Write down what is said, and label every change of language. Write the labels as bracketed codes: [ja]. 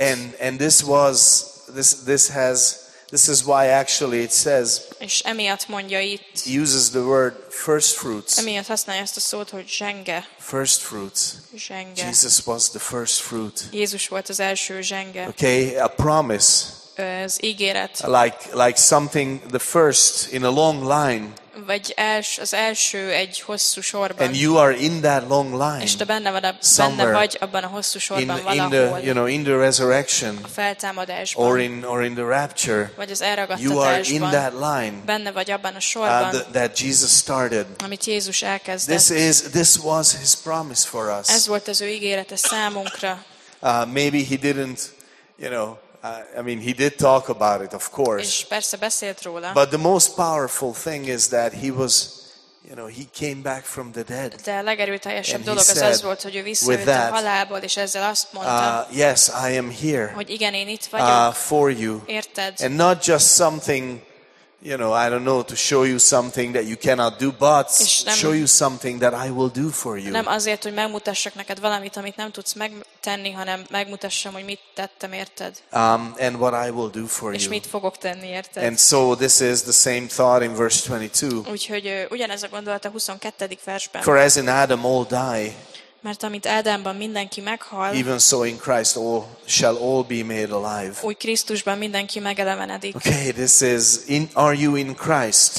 [en] And this is why actually it says. [hu] És emiatt mondja itt. [en] Uses the word first fruits. [hu] Emiatt használja ezt a szót, hogy zsenge. [en] First fruits. [hu] Zsenge. [en] Jesus was the first fruit. [hu] Jézus volt az első zsenge. [en] Okay, a promise. [hu] Az ígéret. [en] Like something the first in a long line. [hu] Vagy az első egy hosszú sorban. [en] And you are in that long line. [hu] És te benne vagy abban a hosszú sorban valahol. [en] In the, you know, in the resurrection. [hu] A feltámadásban. [en] Or in the rapture. [hu] Vagy az elragadtatásban. [en] You are in that line. [hu] Benne vagy abban a sorban. [en] That Jesus started. [hu] Amit Jézus elkezdett. [en] This was his promise for us. [hu] Ez volt az ő ígérete számunkra. [en] Maybe he didn't, you know, I mean, he did talk about it, of course. [hu] És persze beszélt róla. [en] But the most powerful thing is that he was, you know, he came back from the dead. [hu] De a legerőteljesebb dolog az az volt, hogy ő visszajött a halálból, és ezzel azt mondta. [en] Yes, I am here. [hu] Hogy igen, én itt vagyok. [en] For you. [hu] Érted? [en] And not just something, you know, I don't know, to show you something that you cannot do, but show you something that I will do for you. [hu] Nem azért, hogy megmutassak neked valamit, amit nem tudsz megtenni, hanem megmutassam, hogy mit tettem érted. [en] And what I will do for you. [hu] És mit fogok tenni érted. [en] And so this is the same thought in verse 22. [hu] Úgyhogy ugyanez a gondolat a 22. versben. [en] For as in Adam all die. [hu] Mert amit Ádámban mindenki meghal. [en] Even so in Christ all shall all be made alive. [hu] Úgy Krisztusban mindenki megelevenedik. [en] Okay, this is in, are you in Christ?